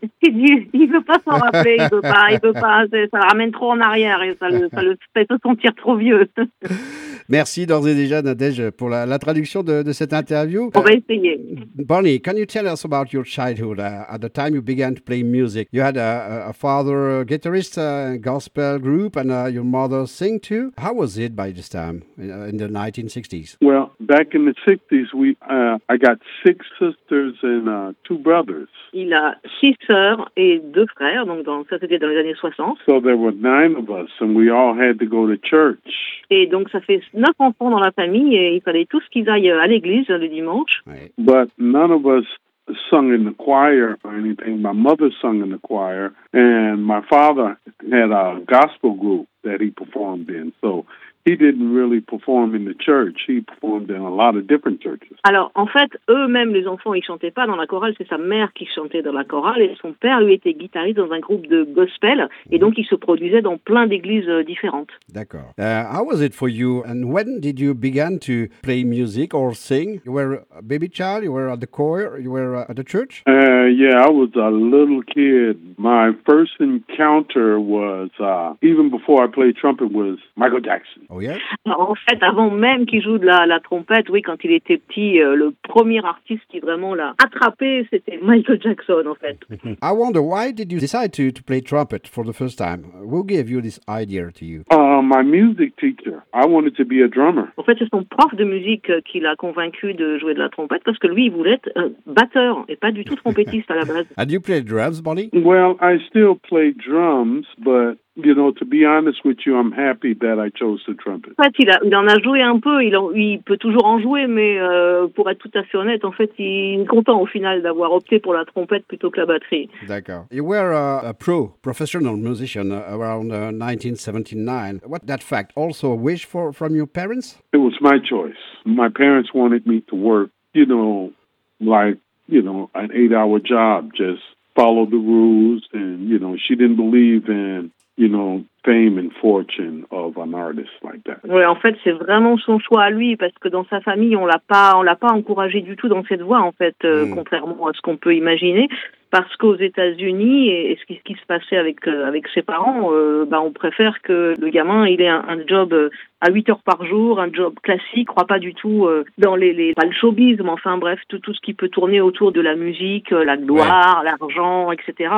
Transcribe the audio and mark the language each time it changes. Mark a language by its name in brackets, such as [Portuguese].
[French] Il ne veut pas s'en rappeler, il ne veut pas, ça ramène trop en arrière et ça le fait se sentir trop vieux. Merci d'ores et déjà, Nadège, pour la traduction de cette interview. On va essayer. [English] Bonnie, can you tell us about your childhood? At the time you began to play music, you had a father a guitarist, a gospel group, and your mother sing too. How was it by this time in the 1960s? Well, back in the 60s, I got six sisters and two brothers. [French] Il a six sœurs et deux frères, donc ça c'était dans les années 60. [English] So there were nine of us, and we all had to go to church. [French] Et donc ça fait neuf enfants dans la famille et il fallait tous qu'ils aillent à l'église le dimanche. [English] Right. But none of us sung in the choir or anything. My mother sung in the choir and my father had a gospel group that he performed in. So he didn't really perform in the church. He performed in a lot of different churches. [French] Alors, en fait, eux-mêmes, les enfants, ils chantaient pas dans la chorale. C'est sa mère qui chantait dans la chorale et son père, lui, était guitariste dans un groupe de gospel. Et donc, il se produisait dans plein d'églises différentes. D'accord. [English] How was it for you? And when did you begin to play music or sing? You were a baby child? You were at the choir? You were at the church? Yeah, I was a little kid. My first encounter was, even before I played trumpet, was Michael Jackson. Oh yeah. [French] En fait, avant même qu'il joue de la trompette, oui, quand il était petit, le premier artiste qui vraiment l'a attrapé, c'était Michael Jackson, en fait. [English] I wonder why did you decide to play trumpet for the first time? Who gave you this idea to you? My music teacher. I wanted to be a drummer. [French] En fait, c'est son prof de musique qui l'a convaincu de jouer de la trompette parce que lui, il voulait être batteur et pas du tout trompettiste à la base. [English] And you play drums, Bonnie? Well, I still play drums, but you know, to be honest with you, I'm happy that I chose the trumpet. [French] En fait, il en a joué un peu. Il peut toujours en jouer, mais pour être tout à fait honnête, en fait, il est content au final d'avoir opté pour la trompette plutôt que la batterie. D'accord. [English] You were a professional musician around 1979. What that fact? Also a wish from your parents? It was my choice. My parents wanted me to work, you know, like, you know, an 8-hour job, just follow the rules, and, you know, she didn't believe in, you know, fame and fortune of an artist like that. [French] Ouais, en fait, c'est vraiment son choix à lui parce que dans sa famille, on l'a pas encouragé du tout dans cette voie, en fait, contrairement à ce qu'on peut imaginer. Parce qu'aux États-Unis, et ce qui se passait avec ses parents, on préfère que le gamin il ait un job à 8 heures par jour, un job classique, croit pas du tout dans pas le showbiz, mais enfin bref, tout ce qui peut tourner autour de la musique, la gloire, ouais, L'argent, etc.